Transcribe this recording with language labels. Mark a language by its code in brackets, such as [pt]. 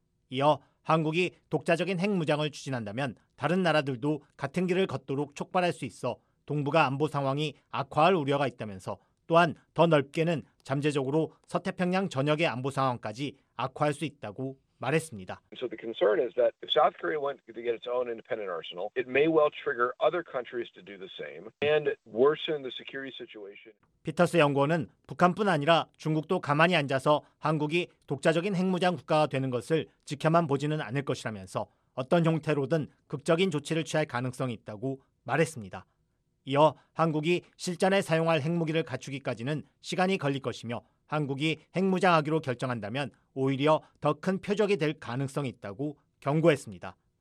[ko] 이어 한국이 독자적인 핵무장을 추진한다면 다른 나라들도 같은 길을 걷도록 촉발할 수 있어 동북아 안보 상황이 악화할 우려가 있다면서 또한 더 넓게는 잠재적으로 서태평양 전역의 안보 상황까지 악화할 수 있다고 말했습니다. [en] So the concern is that if South Korea went to get its own independent arsenal, it may well trigger other countries to do the same and worsen the security situation. [ko] 피터스 연구원은 북한뿐 아니라 중국도 가만히 앉아서 한국이 독자적인 핵무장 국가가 되는 것을 지켜만 보지는 않을 것이라면서 어떤 형태로든 극적인 조치를 취할 가능성이 있다고 말했습니다. 이어 한국이 실전에 사용할 핵무기를 갖추기까지는 시간이 걸릴 것이며 한국이 핵무장하기로 결정한다면 오히려 더 큰 표적이 될 가능성이 있다고 경고했습니다.